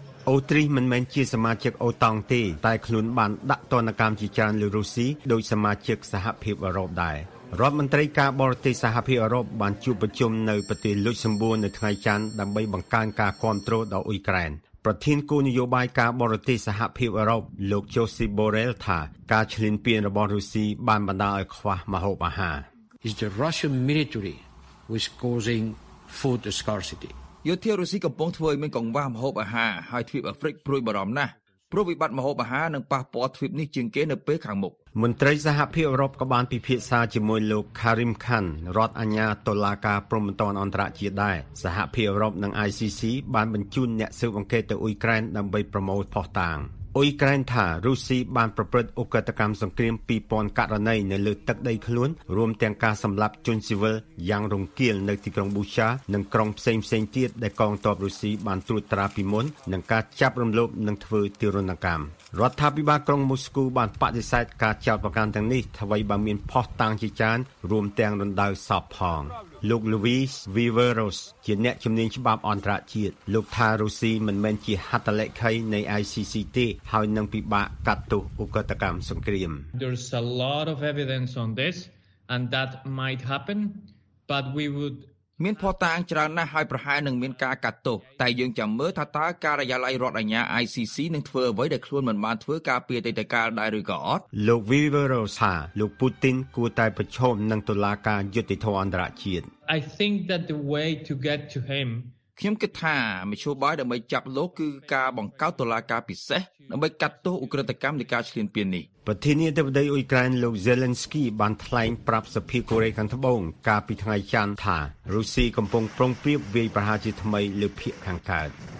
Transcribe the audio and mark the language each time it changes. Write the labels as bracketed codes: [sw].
[km] អូទ្រីសមិនមែនជាសមាជិកអូតង់ទេតែខ្លួនបានដាក់ទណ្ឌកម្មជាច្រើនលើរុស្ស៊ីដោយសមាជិកសហភាពអឺរ៉ុបដែររដ្ឋមន្ត្រីការបរទេសសហភាពអឺរ៉ុបបានជួបប្រជុំនៅប្រទេសលុចសំបួរនៅថ្ងៃច័ន្ទដើម្បីបង្កើនការគាំទ្រដល់អ៊ុយក្រែនប្រធានគូនយោបាយការបរទេសសហភាពអឺរ៉ុបលោក Josep Borrell ថាការឈ្លានពានរបស់រុស្ស៊ីបានបណ្ដាលឲ្យខ្វះម្ហូបអាហារ [en] Is the Russian military which causing food scarcity [km] យោធារុស្ស៊ីកំពុងធ្វើឲ្យមានកង្វះម្ហូបអាហារហើយទ្វីបអាហ្វ្រិកព្រួយបារម្ភណាស់ព្រោះវិបត្តិម្ហូបអាហារនឹងប៉ះពាល់ទ្វីបនេះជាងគេនៅពេលខាងមុខ មន្ត្រីសហភាពអឺរ៉ុបក៏បានពិភាក្សាជាមួយលោក Karim Khan រដ្ឋអាជ្ញាតុលាការព្រំដែនអន្តរជាតិដែរសហភាពអឺរ៉ុបនិង ICC បានបញ្ជូនអ្នកស៊ើបអង្កេតទៅអ៊ុយក្រែនដើម្បីប្រមូលភស្តុតាង អ៊ុយក្រែនថារុស្ស៊ីបានប្រព្រឹត្តឧក្រិដ្ឋកម្មសង្គ្រាម 2,000 ករណីនៅលើទឹកដីខ្លួនរួមទាំងការសម្លាប់ជនស៊ីវិលយ៉ាងរង្គាលនៅទីក្រុងប៊ូឆានិងក្រុងផ្សេងៗទៀតដែលកងទ័ពរុស្ស៊ីបានត្រួតត្រាពីមុននឹងការចាប់រំលោភនិងធ្វើទារុណកម្មរដ្ឋាភិបាលក្រុងមូស្គូបានបដិសេធការចោទប្រកាន់ទាំងនេះថ្វីបើមានភស្តុតាងជាច្រើនរួមទាំងរណ្ដៅសពផង លោក Louis Viveros ជាអ្នកជំនាញច្បាប់អន្តរជាតិលោកថារុស្ស៊ីមិនមែនជាហត្ថលេខីនៃ ICC ទេហើយនឹងពិបាកកាត់ទោសឧក្រិដ្ឋកម្មសង្គ្រាម [en] There's a lot of evidence on this and that might happen but we would [km] មានភស្តុតាងច្រើនណាស់ហើយប្រហែលនឹងមានការកាត់ទោសតែយើងចាំមើលថាតើការិយាល័យរដ្ឋអាជ្ញា ICC នឹងធ្វើអ្វីដែលខ្លួនមិនបានធ្វើការពីអតីតកាលដែរឬក៏អត់លោក Viveroza លោក Putin គួរតែប្រឈមនឹងតុលាការយុតិធម៌អន្តរជាតិ [en] I think that the way to get to him [km] ខ្ញុំគិតថាមជ្ឈបាយដើម្បីចាប់លោកគឺការបង្កើតតុលាការពិសេសដើម្បីកាត់ទោសឧក្រិដ្ឋកម្មនៃការឈ្លានពាននេះ ប្រធានាធិបតីអ៊ុយក្រែនលោក Zelensky បានថ្លែងប្រាប់សភាកូរ៉េខាងត្បូងកាលពីថ្ងៃច័ន្ទថារុស្ស៊ីកំពុងប្រុងប្រៀបវាយប្រហារជាថ្មីលើភាគខាងកើត